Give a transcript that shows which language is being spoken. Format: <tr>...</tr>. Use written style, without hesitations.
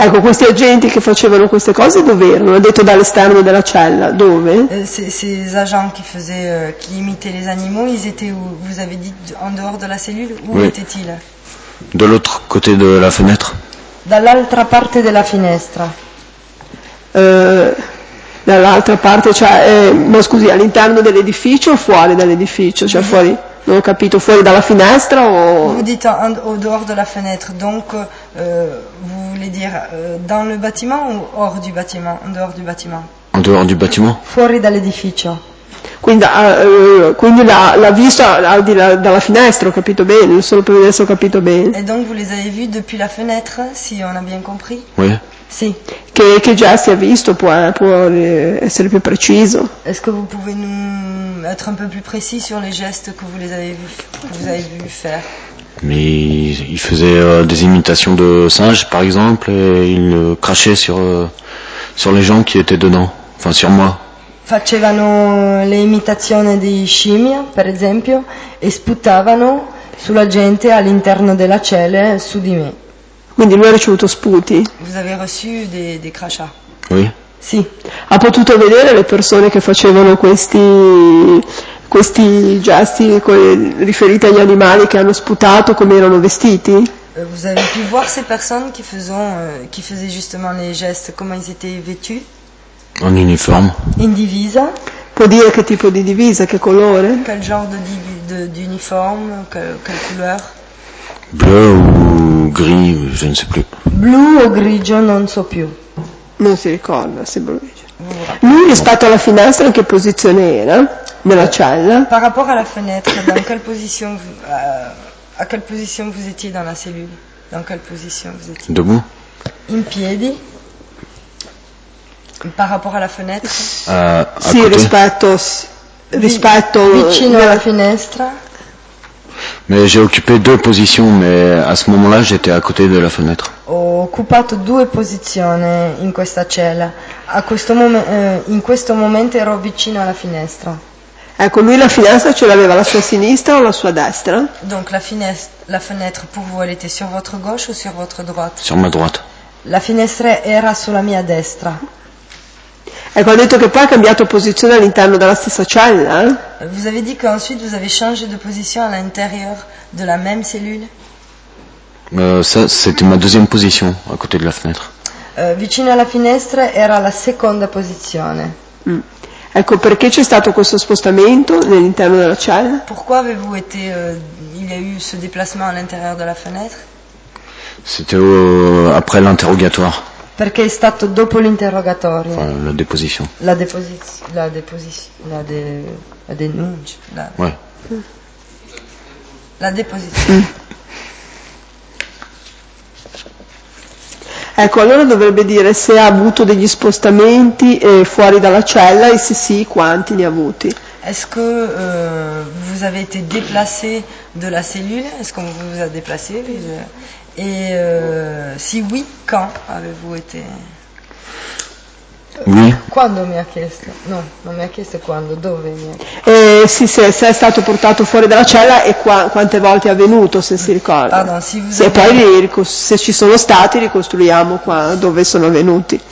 <it>Ecco, questi agenti che facevano queste cose dove erano? Ha detto dall'esterno della cella, dove?</it> <fr>Ces agents qui faisaient, qui imitaient les animaux, ils étaient où? Vous avez dit en dehors de la cellule, où oui. Étaient-ils? De l'autre côté de la fenêtre.</fr> <it>Dall'altra parte della finestra. Dall'altra parte, cioè, ma scusi, all'interno dell'edificio o fuori dall'edificio? Cioè, fuori, non ho capito, fuori dalla finestra o.</it> <fr>Vous dites en dehors de la fenêtre, donc vous voulez dire dans le bâtiment ou hors du bâtiment? En dehors du bâtiment. En dehors du bâtiment?</fr> <it>Fuori dall'edificio. Quindi, quindi l'ha vista dalla finestra, ho capito bene, solo per adesso ho capito bene.</it> <fr>E donc vous les avez vus depuis la fenêtre, si on a bien compris? Oui.</fr> <it>Sì. Che gesti ha visto, può essere più preciso.</it> <fr>Est-ce que vous pouvez nous être un peu plus précis sur les gestes que vous les avez vus, que vous avez vu faire? Mais il faisait des imitations de singes, par exemple, et il crachait sur les gens qui étaient dedans, enfin sur moi.</fr> <it>Facevano le imitazioni di scimmie, per esempio, e sputavano sulla gente all'interno della cella su di me. Quindi lui ha ricevuto sputi.</it> <fr>Vous avez reçu des crachats. Oui.</fr> <it>Sì. Ha potuto vedere le persone che facevano questi gesti riferiti agli animali che hanno sputato, come erano vestiti?</it> <fr>Vous avez pu voir ces personnes qui faisaient justement les gestes, comment ils étaient vêtus? En uniforme.</fr> <it>In divisa. Può dire che tipo di divisa, che colore?</it> <fr>Quel genre d'uniforme, quelle couleur? Bleu ou gris, je ne sais plus.</fr> <it>Blu o grigio, non so più. Non si ricorda, se blu. Lui rispetto alla finestra in che posizione era nella cella?</it> <fr>Par rapport alla fenêtre, dans quelle position à quelle position vous étiez dans la cellule? Dans quelle position vous étiez? Debout.</fr> <it>In piedi.</it> <fr>Par rapport alla fenêtre?</fr> <it>Sì, rispetto vicino alla finestra.</it> <fr>Mais j'ai occupé deux positions, mais à ce moment-là, j'étais à côté de la fenêtre.</fr> <it>Ho occupato due posizioni in questa cella. A questo in questo momento ero vicino alla finestra. Ecco, lui la finestra ce l'aveva alla sua sinistra o alla sua destra?</it> <fr>Donc la fenêtre pour vous, elle était sur votre gauche ou sur votre droite? Sur ma droite.</fr> <it>La finestra era sulla mia destra. Ecco, ha detto che poi ha cambiato posizione all'interno della stessa cella.</it> <fr>Vous avez dit qu'ensuite vous avez changé de position à l'intérieur de la même cellule? Ça, c'était ma deuxième position, à côté de la fenêtre.</fr> <it>Vicino alla finestra era la seconda posizione. Mm. Ecco, perché c'è stato questo spostamento all'interno della cella?</it> <fr>Pourquoi avez-vous été, il y a eu ce déplacement à l'intérieur de la fenêtre? C'était après l'interrogatoire.</fr> <it>Perché è stato dopo l'interrogatorio.</it> <fr>Enfin, la deposition.</fr> <it>La deposition. La deposition. La de... La denuncia. La...</it> <fr>Ouais. La deposition.</fr> <it>Ecco, allora dovrebbe dire se ha avuto degli spostamenti fuori dalla cella e se sì, quanti ne ha avuti.</it> <fr>Est-ce que vous avez été déplacé de la cellule? Est-ce qu'on vous a déplacé? Et si oui, quand avez-vous été? Oui.</fr> <it>Quando mi ha chiesto? No, non mi ha chiesto quando, dove mi ha chiesto? Sì, se è stato portato fuori dalla cella e quante volte è avvenuto, se si ricorda. Se poi se ci sono stati, ricostruiamo qua dove sono avvenuti.</it>